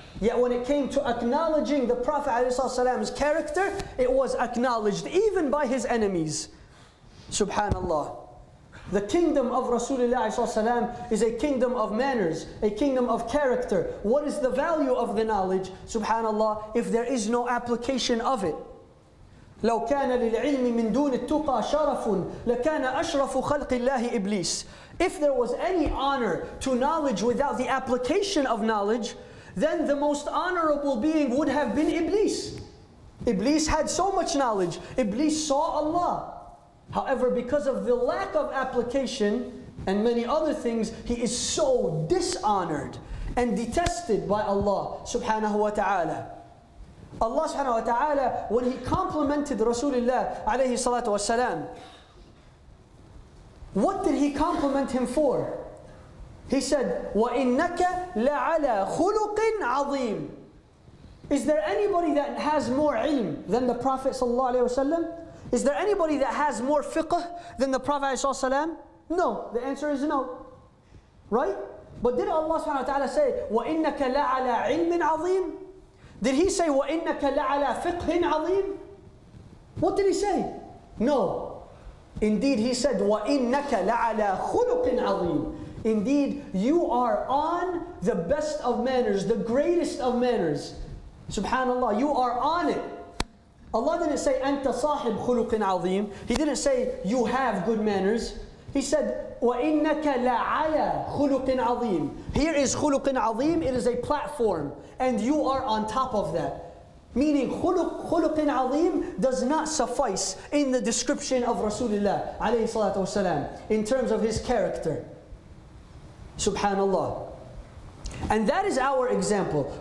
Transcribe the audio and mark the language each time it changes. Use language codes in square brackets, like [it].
[en] Yet when it came to acknowledging the Prophet's character, it was acknowledged even by his enemies. Subhanallah. The kingdom of Rasulullah is a kingdom of manners, a kingdom of character. What is the value of the knowledge, subhanallah, if there is no application of it? [ar] لو كان للعلم من دون التقى شرف لكان أشرف خلق الله إبليس. [en] If there was any honor to knowledge without the application of knowledge, then the most honorable being would have been Iblis. Iblis had so much knowledge. Iblis saw Allah. However, because of the lack of application and many other things, he is so dishonored and detested by Allah subhanahu wa ta'ala. Allah subhanahu wa ta'ala, when he complimented Rasulullah alayhi salatu wasalam, what did he compliment him for? He said, [ar] وَإِنَّكَ لَعَلَى خُلُقٍ عَظِيمٍ. [en] Is there anybody that has more ilm than the Prophet sallallahu alayhi wasallam? Is there anybody that has more fiqh than the Prophet sallallahu alayhi wasallam? No, the answer is no. Right? But did Allah subhanahu wa ta'ala say, [ar] وَإِنَّكَ لَعَلَى عِلْمٍ عَظِيمٍ? [en] Did he say, [ar] وَإِنَّكَ لَعَلَى فِقْهٍ عَظِيمٍ? [en] What did he say? No. Indeed, he said, [ar] وَإِنَّكَ لَعَلَى خُلُقٍ عَظِيمٍ. [en] Indeed, you are on the best of manners, the greatest of manners. Subhanallah, you are on it. Allah didn't say, [ar] أَنْتَ صَاحِبْ خُلُقٍ عَظِيمٍ. [en] He didn't say, you have good manners. He said, [ar] وَإِنَّكَ لَعَلَى خُلُقٍ عَظِيمٍ. [en] Here is [ar] خُلُقٍ عَظِيمٍ. [en] It is a platform. And you are on top of that. Meaning [ar] خُلُقٍ عَظِيمٍ [en] does not suffice in the description of Rasulullah عليه الصلاة والسلام in terms of his character. Subhanallah. And that is our example.